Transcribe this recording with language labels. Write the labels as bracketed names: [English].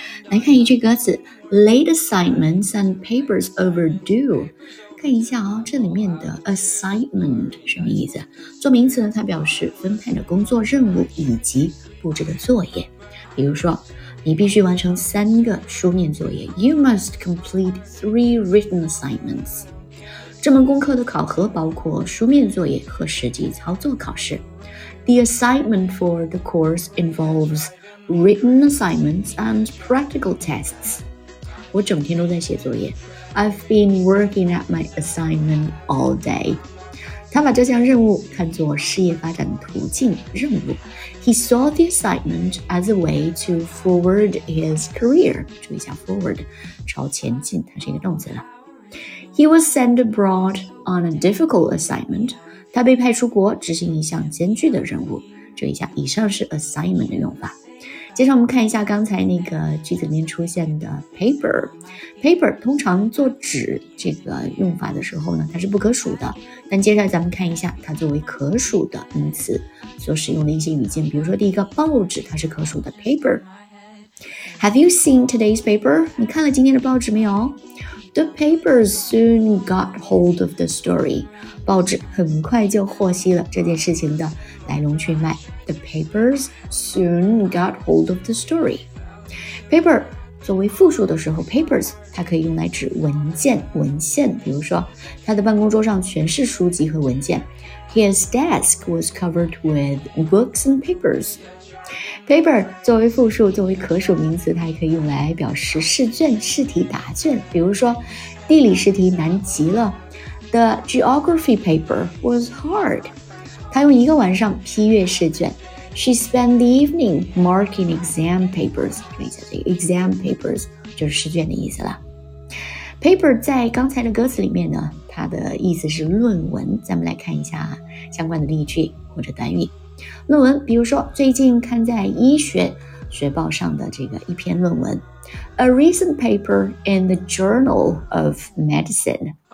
[Chinese] 来看一句歌词 [English] Late assignments and papers overdue， [Chinese] 看一下哦，这里面的 assignment 什么意思？做名词呢，它表示分配的工作任务以及布置的作业。比如说，你必须完成三个书面作业。 [English] You must complete 3 written assignments. [Chinese] 这门功课的考核包括书面作业和实际操作考试。 [English] The assignment for the course involves written assignments and practical tests. [Chinese] 我整天都在写作业。 [English] I've been working at my assignment all day. [Chinese] 他把这项任务看作事业发展的途径任务。 [English] He saw the assignment as a way to forward his career. [Chinese] 注意一下 forward， 朝前进，它是一个动词了。 [English] He was sent abroad on a difficult assignment. [Chinese] 他被派出国执行一项艰巨的任务。注意一下，以上是 assignment 的用法。接下来我们看一下刚才那个句子里面出现的 paper。 paper 通常做纸这个用法的时候呢，它是不可数的。但接下来咱们看一下它作为可数的名词所使用的一些语境。比如说第一个报纸，它是可数的 paper。 [English] Have you seen today's paper? [Chinese] 你看了今天的报纸没有？ [English] The paper soon got hold of the story. [Chinese] 报纸很快就获悉了这件事情的来龙去脉。 [English] The papers soon got hold of the story. [Chinese] Paper 作为复数的时候 ,papers 它可以用来指文件、文献。比如说他的办公桌上全是书籍和文件。 [English] His desk was covered with books and papers. [Chinese] Paper 作为复数，作为可数名词，它也可以用来表示试卷、试题、答卷。比如说，地理试题难极了 ， [English] The geography paper was hard. [Chinese] 她用一个晚上批阅试卷。 [English] She spent the evening marking exam papers. [Chinese] 注意一下这个 exam papers 就是试卷的意思了。Paper 在刚才的歌词里面呢，它的意思是论文。咱们来看一下相关的例句或者短语。论文，比如说最近刊在医学学报上的这个一篇论文 [English] A recent paper in the Journal of Medicine